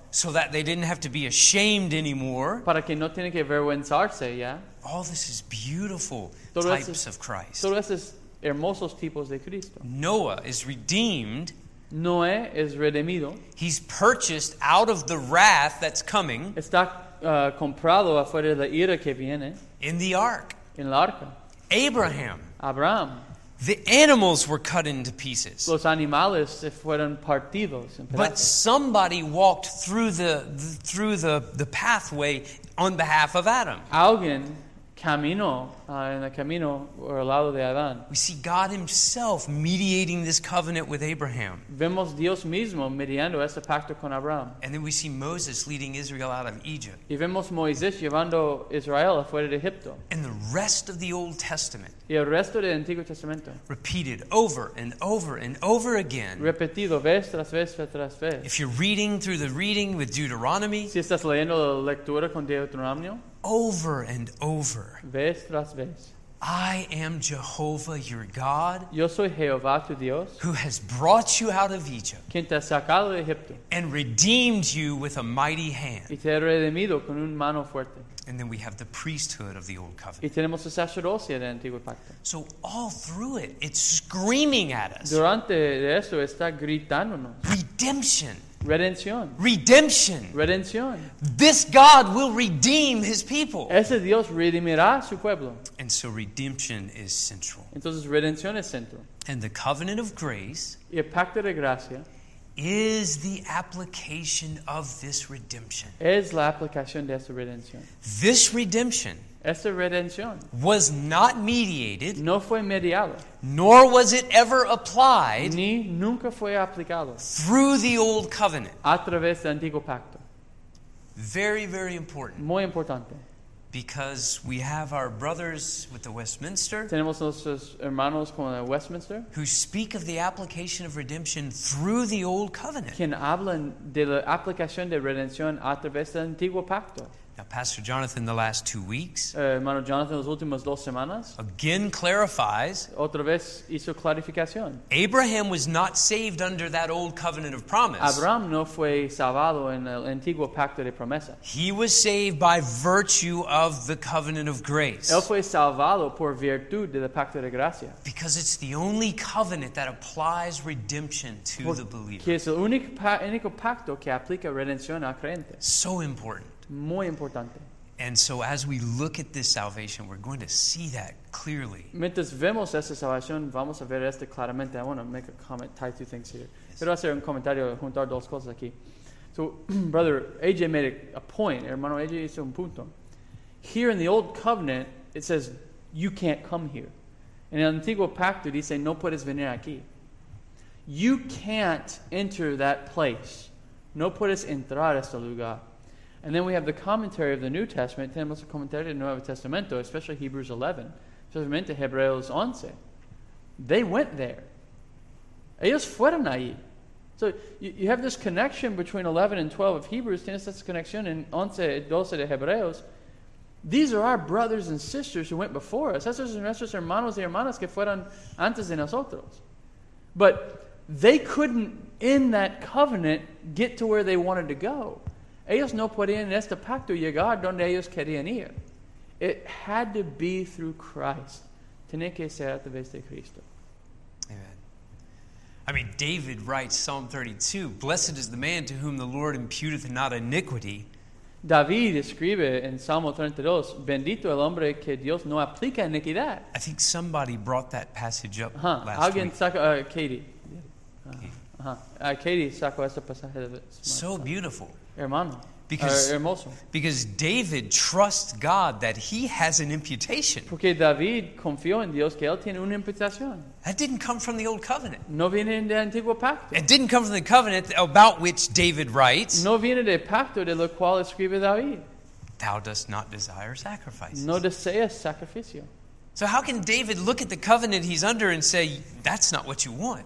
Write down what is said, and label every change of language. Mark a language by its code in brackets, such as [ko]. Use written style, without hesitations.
[en] So that they didn't have to be ashamed anymore. [es] Para que no tienen que avergonzarse ya. [en] All this is beautiful types of Christ. [es] Todo eso es hermosos tipos de Cristo. [en] Noah is redeemed. [es] Noé es redimido. [en] He's purchased out of the wrath that's coming. [es] Está comprado afuera de la ira que viene. [en] In the ark. [es] En el arca. [en] Abraham. [es] Abraham. [en] The animals were cut into pieces. [es] Los animales se fueron partidos en pedazos. [en] But somebody walked through the pathway on behalf of Adam. [es] Alguien camino, en el camino o al lado de Adán. [en] We see God himself mediating this covenant with Abraham. [es] Vemos Dios mismo mediando este pacto con Abraham. [en] And then we see Moses leading Israel out of Egypt. [es] Y vemos Moisés llevando Israel afuera de Egipto. [en] And the rest of the Old Testament. [es] Y el resto del Antiguo Testamento. [en] Repeated over and over and over again. [es] Repetido vez tras vez tras vez. [en] If you're reading through the reading with Deuteronomy. [es] Si estás leyendo la lectura con Deuteronomio. [en] Over and over. [es] Vez tras vez. [en] I am Jehovah your God. [es] Yo soy Jehová tu Dios. [en] Who has brought you out of Egypt. [es] Quien te ha sacado de Egipto. [en] And redeemed you with a mighty hand. [es] Y te ha redimido con una mano fuerte. [en] And then we have the priesthood of the old covenant. [es] Y tenemos el sacerdocio del antiguo pacto. [en] So all through it, it's screaming at us. [es] Durante eso está gritándonos. [en] Redemption. [es] Redención. [en] Redemption. [es] Redención. [en] This God will redeem his people. [es] Ese Dios redimirá su pueblo. [en] And so redemption is central. [es] Entonces redención es central. [en] And the covenant of grace. [es] Y el pacto de gracia. [en] Is the application of this redemption. [es] Es la aplicación de esta redención. [en] This redemption. [es] Esta redención. [en] Was not mediated. [es] No fue mediado. [en] Nor was it ever applied. [es] Ni nunca fue aplicado. [en] Through the old covenant. [es] A través del antiguo pacto. [en] Very, very important. [es] Muy importante. [en] Because we have our brothers with the Westminster. [es] Tenemos nuestros hermanos con el Westminster. [en] Who speak of the application of redemption through the old covenant. [es] Quien hablan de la aplicación de redención a través del antiguo pacto. [en] Now, Pastor Jonathan, the last 2 weeks, [es] hermano Jonathan, las últimas dos semanas, [en] again clarifies, [es] otra vez hizo clarificación. [en] Abraham was not saved under that old covenant of promise. [es] Abraham no fue salvado en el antiguo pacto de promesa. [en] He was saved by virtue of the covenant of grace. [es] Él fue salvado por virtud del pacto de gracia. [en] Because it's the only covenant that applies redemption to the believer. [es] Que es el único pacto que aplica redención al creyente. [en] So important. [es] Muy importante. [en] And so as we look at this salvation, we're going to see that clearly. [es] Mientras vemos esta salvación, vamos a ver esto claramente. [en] I want to make a comment, tie two things here. [es] Quiero hacer un comentario, juntar dos cosas aquí. [en] So, brother AJ made a point. [es] Hermano AJ hizo un punto. [en] Here in the old covenant, it says, you can't come here. [es] En el antiguo pacto dice, no puedes venir aquí. [en] You can't enter that place [es] No puedes entrar a este lugar. [en] And then we have the commentary of the New Testament. [es] Tenemos el comentario del Nuevo Testamento, [en] especially Hebrews 11. [es] Especialmente Hebreos 11. [en] They went there. [es] Ellos fueron ahí. [en] So you have this connection between 11 and 12 of Hebrews. [es] Tienes esa conexión en 11 y 12 de Hebreos. [en] These are our brothers and sisters who went before us. [es] Esos son nuestros hermanos y hermanas que fueron antes de nosotros. [en] But they couldn't, in that covenant, get to where they wanted to go. [es] Ellos no podían en este pacto llegar donde ellos querían ir. [en] It had to be through Christ. [es] Tiene que ser a través de Cristo. [en] Amen. I mean, David writes Psalm 32, "Blessed is the man to whom the Lord imputeth not iniquity." [es] David escribe en Salmo 32, "Bendito el hombre que Dios no aplica iniquidad." [en] I think somebody brought that passage up last [es] alguien [en] week. [es] Katie sacó este pasaje. [en] So beautiful. [es] Hermano. [en] Because David trusts God that he has an imputation. [es] Porque David confió en Dios que él tiene una imputación. [en] That didn't come from the old covenant. [es] No viene del antiguo pacto. [en] It didn't come from the covenant about which David writes. [es] No viene del pacto de lo cual escribe David. [en] Thou dost not desire sacrifices. [es] No deseas sacrificio. [en] So how can David look at the covenant he's under and say, that's not what you want?